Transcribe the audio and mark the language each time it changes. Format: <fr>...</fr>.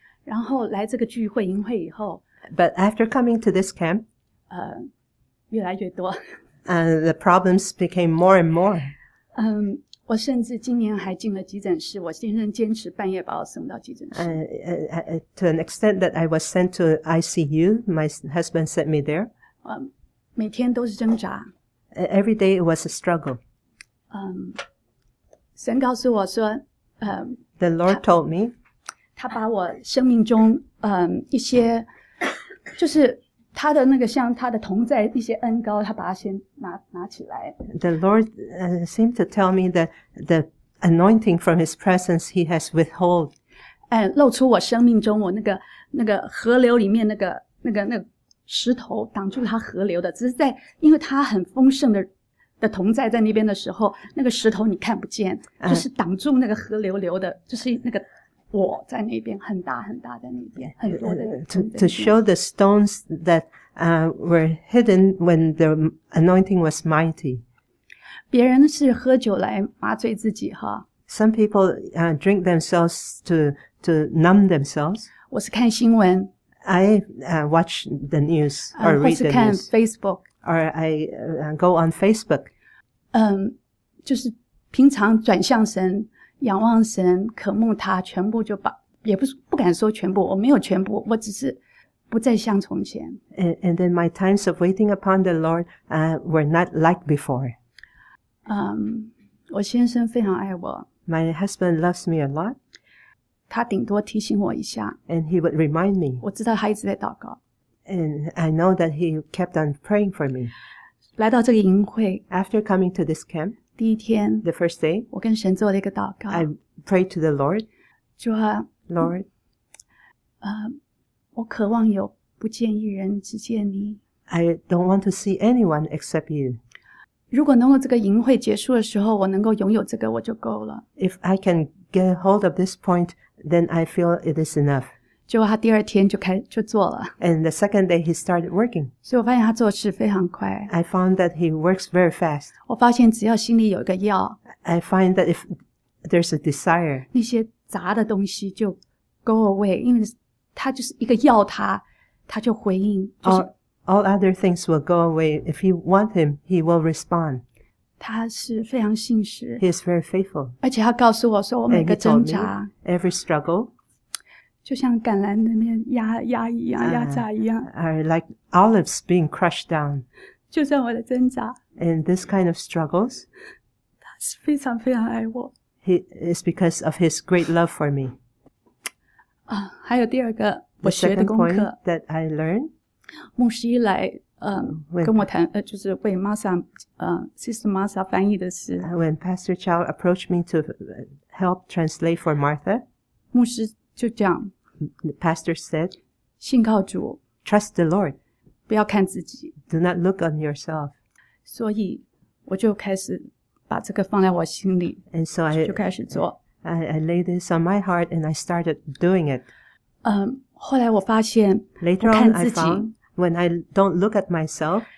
<zh>然后来这个聚会营会以后</zh> <en>，But after coming to this camp,</en> <zh>越来越多</zh> <en>，and the problems became more and more.</en> <zh>我甚至今年还进了急诊室。我先生坚持半夜把我送到急诊室。</zh> <en>To an extent that I was sent to ICU, my husband sent me there.</en> <zh>每天都是挣扎。</zh> <en>Every day it was a struggle.</en> <zh>神告诉我说。</zh> <en>The Lord told me,</en> <zh>他把我生命中一些，就是他的那个像他的同在一些恩膏，他把它先拿起来。</zh> <en>The Lord seemed to tell me that the anointing from His presence He has withheld,</en> <zh>露出我生命中我那个河流里面那个石头挡住他河流的，只是在因为他很丰盛的同在在那边的时候，那个石头你看不见，就是挡住那个河流流的，就是那个我在那边很大很大的那边很多的。</zh> <en>To show the stones that were hidden when the anointing was mighty.</en> <zh>别人是喝酒来麻醉自己哈。</zh> <en>Some people drink themselves to numb themselves.</en> <zh>我是看新闻。</zh> <en>I watch the news or read the news.</en> <zh>或是看 Facebook.</zh> <en>Or I go on Facebook.</en> <zh>就是平常转向神，仰望神，渴慕他，全部就把，也不是不敢说全部，我没有全部，我只是不再像从前。</zh> <en>And then my times of waiting upon the Lord were not like before.</en> <zh>我先生非常爱我。</zh> <en>My husband loves me a lot.</en> <zh>他顶多提醒我一下。</zh> <en>And he would remind me.</en> <zh>我知道他一直在祷告。</zh> <en>And I know that he kept on praying for me.</en> <zh>来到这个营会</zh> <en>After coming to this camp,</en> <zh>第一天</zh> <en>the first day,</en> <zh>我跟神做了一个祷告</zh> <en>I prayed to the Lord.</en> <zh>主啊</zh> <en>Lord,</en> <zh>我渴望有不见一人只见你</zh> <en>I don't want to see anyone except you.</en> <zh>如果能够这个营会结束的时候我能够拥有这个我就够了</zh> <en>If I can get a hold of this point, then I feel it is enough.</en> <zh>结果他第二天就做了。</zh> <en>And the second day he started working.</en> <zh>所以我发现他做事非常快。</zh> <en>I found that he works very fast.</en> <zh>我发现只要心里有一个要。</zh> <en>I find that if there's a desire.</en> <zh>那些杂的东西就</zh> <en>go away.</en> <zh>因为他就是一个要他他就回应。就是、</zh> <en>all other things will go away. If you want him, he will respond.</en> <zh>他是非常信实。</zh> <en>He is very faithful.</en> <zh>而且他告诉我说我每个挣扎。</zh> <en>Every struggle.</en> <zh>就像橄榄那边压压一样，压榨一样。</zh> <en>Are like olives being crushed down.</en> <zh>就算我的挣扎。</zh> <en>And this kind of struggles.</en> <zh>他是非常非常爱我。</zh> <en>He is because of his great love for me.</en> <zh>啊，还有第二个我学的功课。</zh> <en>That I learned.</en> <zh>牧师一来，跟我谈，就是为 Martha, Sister Martha 翻译的事。</zh> <en>When Pastor Chow approached me to help translate for Martha.</en> <zh>牧师就这样。</zh> <en>The pastor said,</en> <zh>信靠主。</zh> <en>Trust the Lord.</en> <zh>不要看自己。</zh> <en>Do not look on yourself.</en> <zh>所以我就开始把这个放在我心里。</zh> <en>And so I,</en> <zh>就开始做。</zh> <en>I laid this on my heart and I started doing it.</en> <zh>后来我发现</zh> <en>Later on,</en> <zh>我看自己</zh> <en>I found, when I don't look at myself,</en>